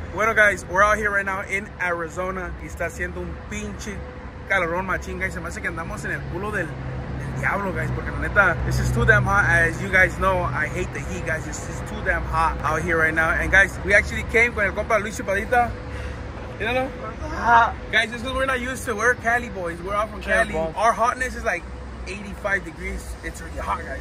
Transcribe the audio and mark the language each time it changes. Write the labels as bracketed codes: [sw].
[en] Bueno, guys, we're out here right now in Arizona. [es] Está haciendo un pinche calorón machín, guys. Se me hace que andamos en el culo del diablo, guys. Porque la neta, [en] this is too damn hot. As you guys know, I hate the heat, guys. This is too damn hot out here right now. And guys, we actually came [es] con el compa [en] Luis Chupadita. You know? Guys, this is what we're not used to. We're Cali boys. We're all from Cali. Our hotness is like 85 degrees. It's really hot, guys.